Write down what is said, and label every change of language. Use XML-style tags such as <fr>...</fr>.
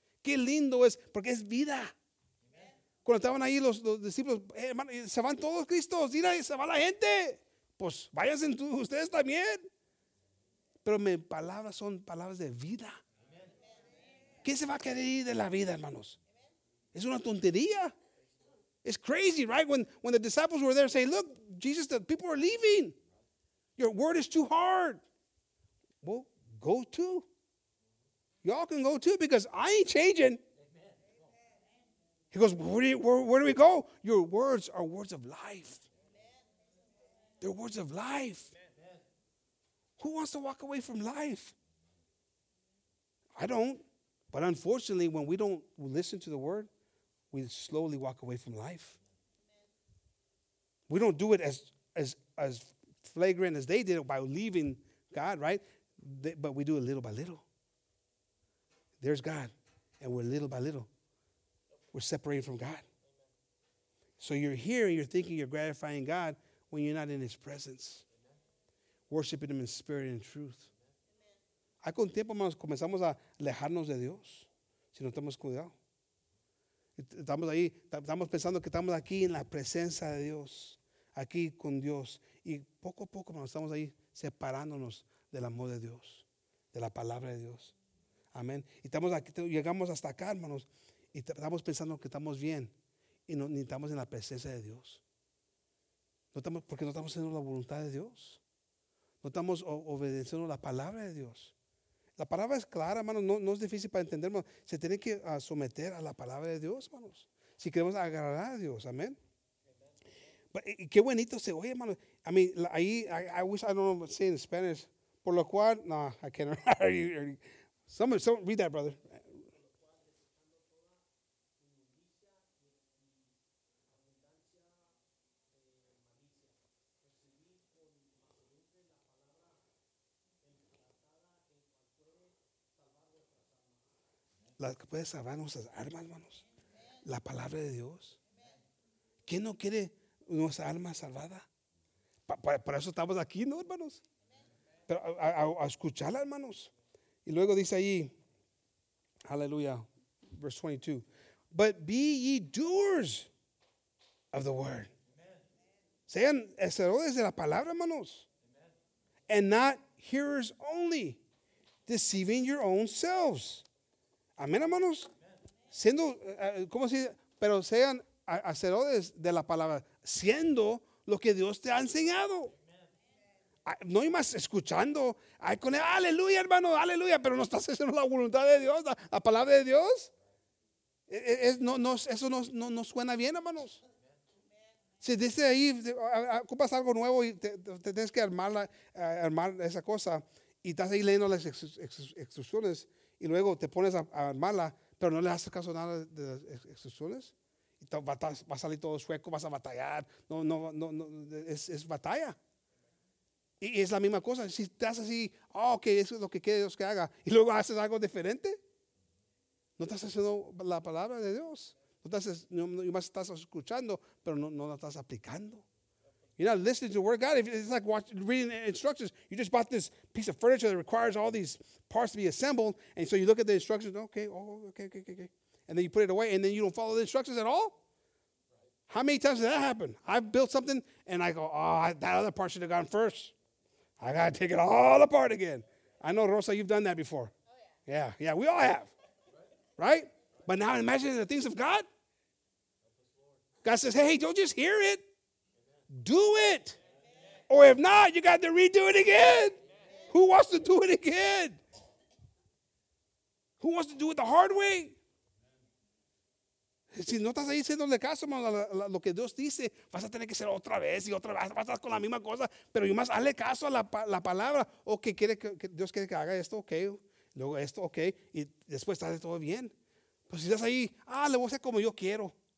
<es>Qué lindo es, porque es vida. Amen. Cuando estaban ahí los discípulos, hey, hermano, se van todos, Cristo, mira, se va la gente. Pues váyanse ustedes también. Pero mis palabras son palabras de vida. Amen. ¿Qué se va a quedar ahí de la vida, hermanos? Amen. Es una tontería.</es> <en>It's crazy, right? When the disciples were there saying, look, Jesus, the people are leaving. Your word is too hard. Well, go too. Y'all can go too because I ain't changing. He goes, where do we go? Your words are words of life. They're words of life. Who wants to walk away from life? I don't. But unfortunately, when we don't listen to the word, we slowly walk away from life. We don't do it as flagrant as they did by leaving God, right? But we do it little by little. There's God, and we're little by little. We're separating from God. So you're here, and you're thinking you're gratifying God when you're not in his presence, worshiping him in spirit and in truth.</en> <es>Hay con tiempo, hermanos, comenzamos a alejarnos de Dios si no tenemos cuidado. Estamos ahí, estamos pensando que estamos aquí en la presencia de Dios, aquí con Dios. Y poco a poco, hermanos, estamos ahí separándonos del amor de Dios, de la palabra de Dios. Amén. Y estamos aquí, llegamos hasta acá, hermanos, y estamos pensando que estamos bien. y no ni estamos en la presencia de Dios. No estamos, porque no estamos haciendo la voluntad de Dios. No estamos obedeciendo la palabra de Dios. La palabra es clara, hermanos, no es difícil para entender, hermanos. Se tiene que someter a la palabra de Dios, hermanos. Si queremos agradar a Dios, amén. Y qué bonito se oye, hermano.</es> <en>I mean, ahí, I wish I don't know what to say in Spanish.</en> <es>Por lo cual, no,</es> <en>I can't. Someone read that, brother.</en> <es>La que puede salvar nuestras almas, hermanos. La palabra de Dios. ¿Quién no quiere nuestra alma salvada? Para eso estamos aquí, ¿no, hermanos? Pero a escucharla, hermanos. Y luego dice ahí, aleluya, verse 22.</es> <en>But be ye doers of the word.</en> <es>Sean hacedores de la palabra, hermanos.</es> <en>And not hearers only, deceiving your own selves.</en> <es>Amén, hermanos. Siendo, ¿cómo se dice? Pero sean hacedores de la palabra, siendo lo que Dios te ha enseñado. No hay más escuchando. Ay, con él, aleluya, hermano, aleluya. Pero no estás haciendo la voluntad de Dios, la palabra de Dios. Eso no suena bien, hermanos. Si dice ahí, ocupas algo nuevo y te tienes que armar esa cosa y estás ahí leyendo las instrucciones. Y luego te pones a armarla, pero no le haces caso a nada de las instrucciones. Y va a salir todo sueco, vas a batallar. No, es batalla. Y es la misma cosa. Si estás así, oh, ok, eso es lo que quiere Dios que haga. Y luego haces algo diferente. No estás haciendo la palabra de Dios. No más estás escuchando, pero no la estás aplicando.</es> <en>You're not listening to the word of God. It's like reading instructions. You just bought this piece of furniture that requires all these parts to be assembled. And so you look at the instructions. Okay. And then you put it away. And then you don't follow the instructions at all. How many times did that happen? I've built something and I go, oh, that other part should have gone first. I got to take it all apart again. I know, Rosa, you've done that before. Oh, yeah. Yeah, we all have. Right? But now imagine the things of God. God says, hey, don't just hear it. Do it. Amen. Or if not, you got to redo it again. Amen. Who wants to do it again? Who wants to do it the hard way?</en> <es>Si no estás ahí haciéndole caso a lo que Dios dice, vas a tener que hacer otra vez y otra vez. Vas a estar con la misma cosa. Pero yo más hazle caso a la palabra. O que Dios quiere que haga esto, ok. Luego esto, ok. Y después está todo bien. Pues si estás ahí, le voy a hacer como yo quiero.</es>